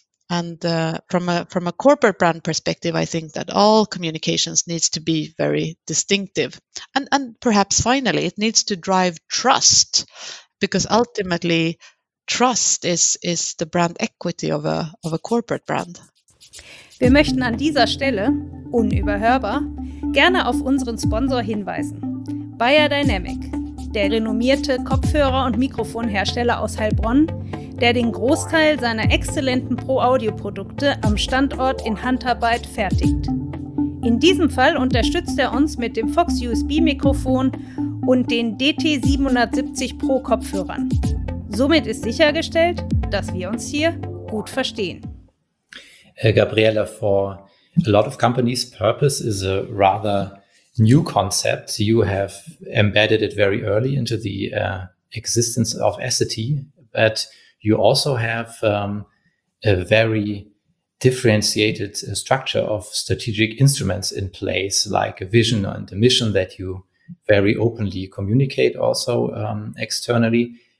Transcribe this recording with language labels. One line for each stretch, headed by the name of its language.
English: And from a corporate brand perspective, I think that all communications needs to be very distinctive. And perhaps finally, it needs to drive trust, because ultimately, trust is the brand equity of a corporate brand.
German: Wir möchten an dieser Stelle, unüberhörbar, gerne auf unseren Sponsor hinweisen. Beyer Dynamic, der renommierte Kopfhörer- und Mikrofonhersteller aus Heilbronn, der den Großteil seiner exzellenten Pro-Audio-Produkte am Standort in Handarbeit fertigt. In diesem Fall unterstützt er uns mit dem Fox USB-Mikrofon und den DT770 Pro-Kopfhörern. Somit ist sichergestellt, dass wir uns hier gut verstehen.
English: Gabriela, for a lot of companies, purpose is a rather new concept. You have embedded it very early into the existence of Essity, but you also have a very differentiated structure of strategic instruments in place, like a vision and a mission that you very openly communicate also externally.